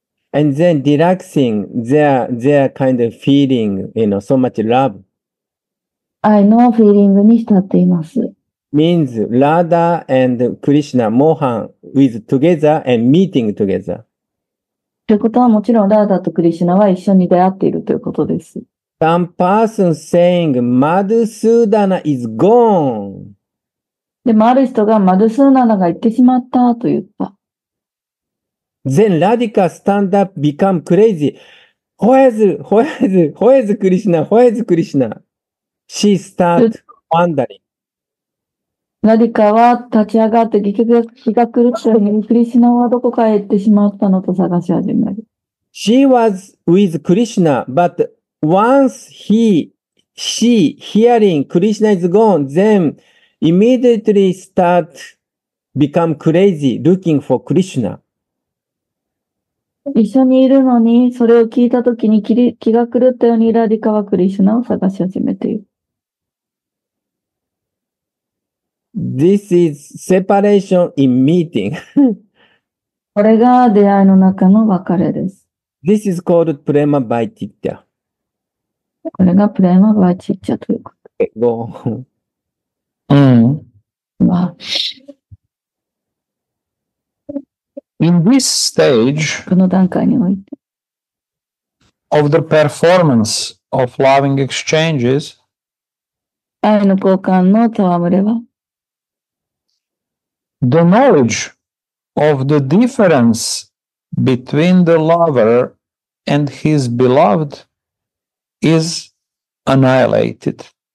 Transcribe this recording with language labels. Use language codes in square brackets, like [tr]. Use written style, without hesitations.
[en] And then relaxing their kind of feeling, you know, so much love. [ja] 愛のフィーリングに浸っています。 [en] Means Radha and Krishna, Mohan, is together and meeting together. [ja] ということはもちろんラーダとクリシュナは一緒に出会っているということです。 [en] Some person saying Madhusudana is gone. [ja] でもある人がマドゥスーダナが行ってしまったと言った。 [en] Then Radhika stand up become crazy. Who is Krishna? Who is Krishna? She start wondering. [ja] ラディカは立ち上がって激が狂ったようにクリシナはどこかへ行ってしまったのと探し始める。 [en] She was with Krishna, but once she hearing Krishna is gone, then immediately start become crazy looking for Krishna. [ja] 一緒にいるのにそれを聞いたときに気が狂ったようにラディカはクリシナを探し始めている。 [en] This is separation in meeting. [ja] これが出会いの中の別れです。 [en] This is called prema vaichitya. [ja] これがプレマバイチッチャということ。 [en] go. In this stage of the performance of loving exchanges, the knowledge of the difference between the lover and his beloved is annihilated.